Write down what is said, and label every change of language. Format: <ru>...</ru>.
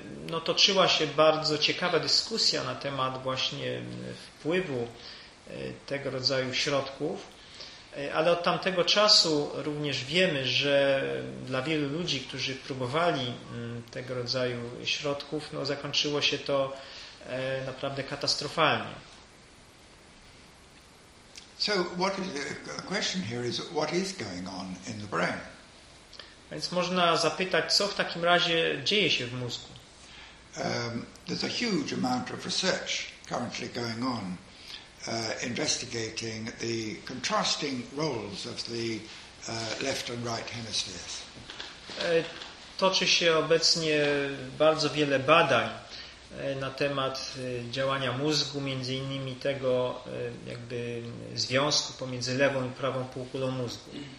<pl>No, toczyła się bardzo ciekawa dyskusja na temat właśnie wpływu tego rodzaju środków, ale od tamtego czasu również wiemy, że dla wielu ludzi, którzy próbowali tego rodzaju środków, no, zakończyło się to naprawdę katastrofalnie.</pl> <en>So what is the question here is what is going on in the brain?</en> <pl>Więc można zapytać, co w takim razie dzieje się w mózgu.</pl> <en>There's a huge amount of research currently going on investigating the contrasting roles of the left and right hemispheres.</en> <pl>Toczy się obecnie bardzo wiele badań na temat działania mózgu, między innymi tego jakby związku pomiędzy lewą i prawą półkulą mózgu.</pl>